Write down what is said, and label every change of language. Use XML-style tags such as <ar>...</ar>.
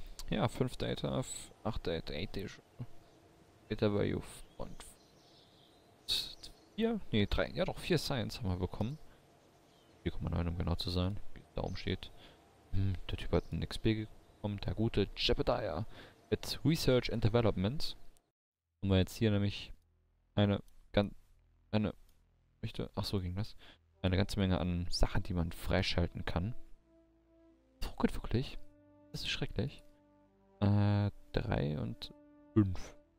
<de>Ja, 5 Data, 8 Data, 8 Data. Data Value und 4? Ne, 3. Ja doch, 4 Science haben wir bekommen. 4,9, um genau zu sein, wie es da oben steht. Der Typ hat einen XP bekommen. Der gute Jebediah.</de> <en>It's Research and Development.</en> <de>Und wir jetzt hier nämlich eine ganze Menge an Sachen, die man freischalten kann. Ruckelt wirklich. Das ist schrecklich. 3 und 5.</de>